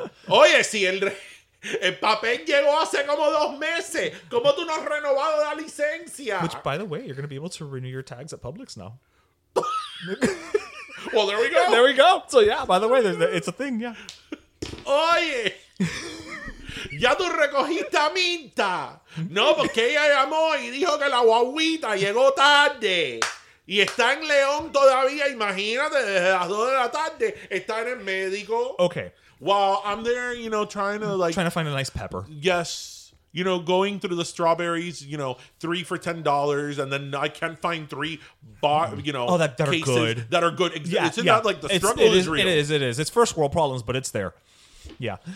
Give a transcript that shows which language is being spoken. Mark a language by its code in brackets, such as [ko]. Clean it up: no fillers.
[es] Oye, si el papel llegó hace como dos meses, ¿cómo tú no has renovado la licencia? [en] Which, by the way, you're going to be able to renew your tags at Publix now. Well, there we go. There we go. So, yeah, by the way, it's a thing, yeah. [es] Oye, ya tú recogiste a Minta. No, porque ella llamó y dijo que la guaguita llegó tarde. Y está en León todavía. Imagínate, desde las 2 de la tarde está en el médico. [en] Okay. While I'm there, you know, trying to like... Trying to find a nice pepper. Yes. You know, going through the strawberries, you know, 3 for $10, and then I can't find 3 bar, you know, oh, that cases are good. That are good. Yeah, isn't that like the struggle is real? It is. It's first world problems, but it's there. Yeah.